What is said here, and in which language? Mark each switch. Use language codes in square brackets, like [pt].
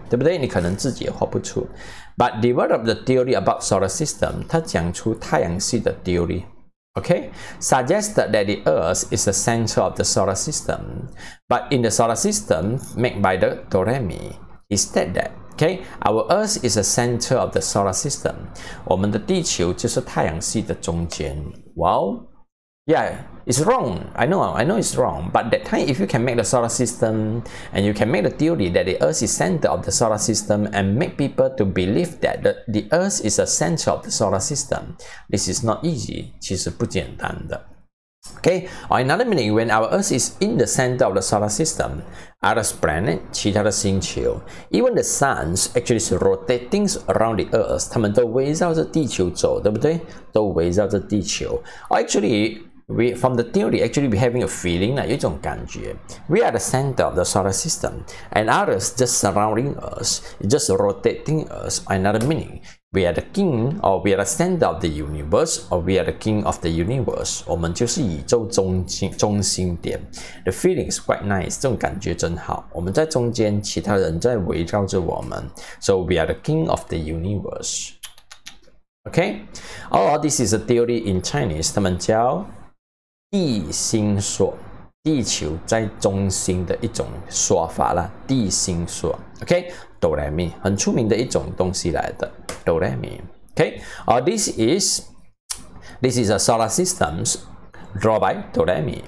[zh] 对不对？你可能自己也画不出。 [en] But developed the theory about solar system. [zh] 他讲出太阳系的 theory. [en] Okay, suggested that the Earth is the center of the solar system. But in the solar system made by the Doremi, he said that, okay, our Earth is the center of the solar system. [zh] 我们的地球就是太阳系的中间。 [en] Well, yeah, it's wrong. I know it's wrong. But that time, if you can make the solar system, and you can make the theory that the Earth is center of the solar system, and make people to believe that the Earth is the center of the solar system, this is not easy. [zh] 其实不简单的。 [en] Okay, or another meaning, when our Earth is in the center of the solar system, other planets, [zh] 其他的星球, [en] even the sun actually is rotating around the Earth, [zh] 他们都围绕着地球走,对不对? 都围绕着地球。 [en] Or actually,from the theory, actually we're having a feeling, [zh] 有一种感觉。 [en] We are the center of the solar system, and others just surrounding us, just rotating us, another meaning. We are the king, or we are the center of the universe, or we are the king of the universe. [zh] 我们就是宇宙中心点。 [en] The feeling is quite nice, [zh] 这种感觉真好。我们在中间，其他人在围绕着我们。 [en] So we are the king of the universe. Okay? Oh, this is a theory in Chinese, [zh] 他们叫地心说，地球在中心的一种说法啦。 [en] 地心说 ，OK， Doremi [zh] 很出名的一种东西来的 [en] ，Doremi， OK， this is a solar system drawn by Doremi.